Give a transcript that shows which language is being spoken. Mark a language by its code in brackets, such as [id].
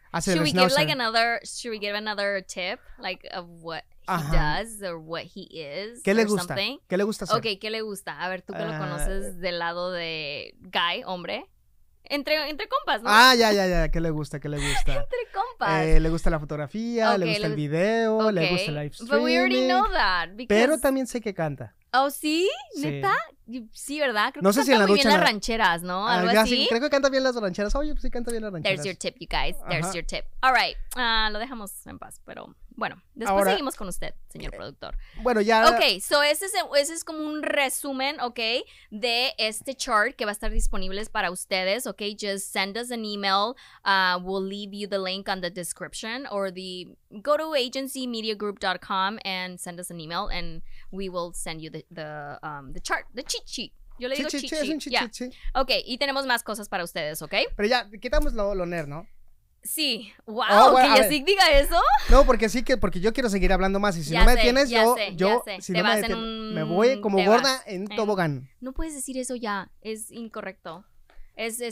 [en] Should we give another tip, like of what he does or what he is? [es] ¿Qué le gusta? ¿Qué le gusta hacer? Okay, ¿qué le gusta? A ver, tú que lo conoces del lado de guy, hombre. Entre compas, ¿no? Ya, ¿qué le gusta? Entre compas. Le gusta la fotografía, okay, le gusta el video, okay, le gusta el live streaming. [en] But we already know that. Because... [es] Pero también sé que canta. ¿Oh, sí? ¿Neta? Sí, ¿verdad? Creo no que sé si en la ducha... Canta muy bien las rancheras, ¿no? Algo así. Sí, creo que canta bien las rancheras. Oye, pues sí canta bien las rancheras. [en] There's your tip, you guys. There's your tip. All right. [es] Lo dejamos en paz, pero... Bueno, después ahora, seguimos con usted, señor productor. Bueno, ya... Ok, so ese es como un resumen, ok, de este chart que va a estar disponible para ustedes, ok. [en] Just send us an email. We'll leave you the link on the description or the... Go to agencymediagroup.com and send us an email and we will send you the chart, the cheat sheet. [es] Yo le digo cheat sheet. Es un cheat sheet. Ok, y tenemos más cosas para ustedes, ok. Pero ya, quitamos lo nerd, ¿no? Sí, wow, bueno, que Yacic diga eso. No, porque yo quiero seguir hablando más. Y si ya no me sé, detienes, ya sé. Si no me detienes, me voy como gorda en tobogán. No puedes decir eso ya, es incorrecto. Es